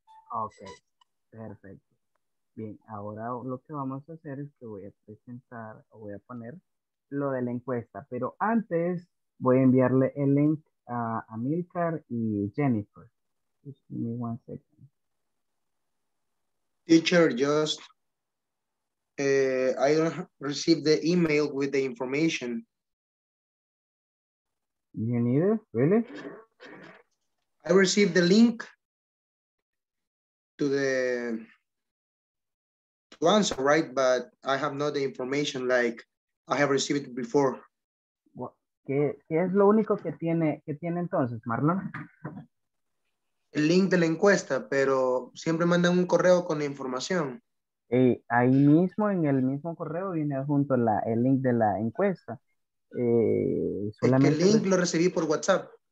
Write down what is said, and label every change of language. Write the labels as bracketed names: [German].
[Spanish] Okay, perfecto. Bien, ahora lo que vamos a hacer es que voy a presentar, o voy a poner lo de la encuesta, pero antes voy a enviarle el link a Amilcar y Jennifer. [English] Just give me one second. Teacher, just, I don't receive the email with the information. You need it? Really? I received the link to the answer, right? But I have not the information like I have received before. [Spanish] ¿Qué es lo único que tiene entonces, Marlon? El link de la encuesta, pero siempre mandan un correo con la información. Ahí mismo, en el mismo correo, viene junto el link de la encuesta. El link lo recibí por WhatsApp.